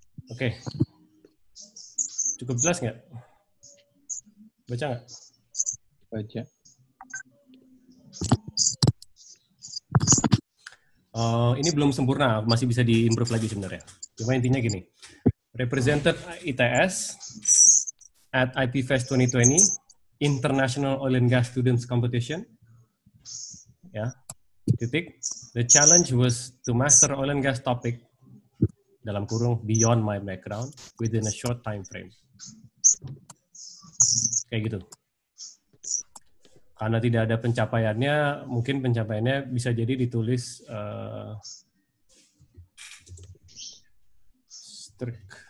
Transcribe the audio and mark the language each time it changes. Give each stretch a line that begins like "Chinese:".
Indonesian: Oke. Cukup jelas nggak? Baca nggak? Baca. Ini belum sempurna, masih bisa diimprove lagi sebenarnya. Cuma intinya gini.
English: Represented ITS at IPFest 2020, International Oil and Gas Students Competition. Yeah. Titik. The challenge was to master oil and gas topic
Indonesian: dalam kurung
English: beyond my background within a short time frame.
Indonesian: Kayak gitu. Karena tidak ada pencapaiannya, mungkin pencapaiannya bisa jadi ditulis strik.